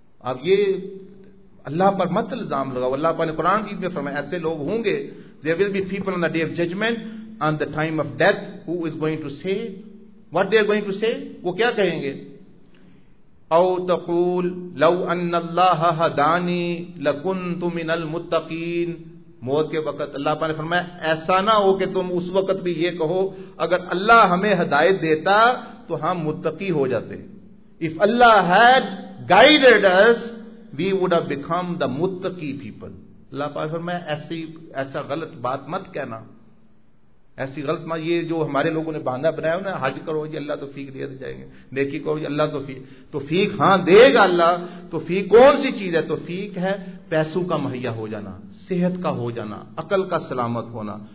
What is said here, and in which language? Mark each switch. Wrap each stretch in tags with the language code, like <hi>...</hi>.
<ur>اب یہ اللہ پر مت الزام لگاؤ. اللہ پاک نے قرآن کی میں فرمایا, ایسے لوگ ہوں گے,</ur> <en>there will be people on the day of judgment, on the time of death, who is going to say, what they are going to say,</en> <ur>وہ کیا کہیں گے؟</ur> <ar>او تقول لو ان اللہ ہدانی لکنت من المتقین.</ar> <ur>موت کے وقت اللہ پاک نے فرمایا, ایسا نہ ہو کہ تم اس وقت بھی یہ کہو, اگر اللہ ہمیں ہدایت دیتا تو ہم متقی ہو جاتے.</ur> <en>If Allah had guided us, we would have become the متقی people.</en> <ur>اللہ پاک نے فرمایا, ایسا غلط بات مت کہنا, ایسی غلط ماں, یہ جو ہمارے لوگوں نے باندھا بنایا ہے نا, حج کرو جی اللہ توفیق دے دے جائیں گے, نیکی کرو جی اللہ توفیق, توفیق ہاں دے گا اللہ, توفیق کون سی چیز ہے؟ توفیق ہے پیسوں کا مہیا ہو جانا, صحت کا ہو جانا, عقل کا سلامت ہونا.</ur>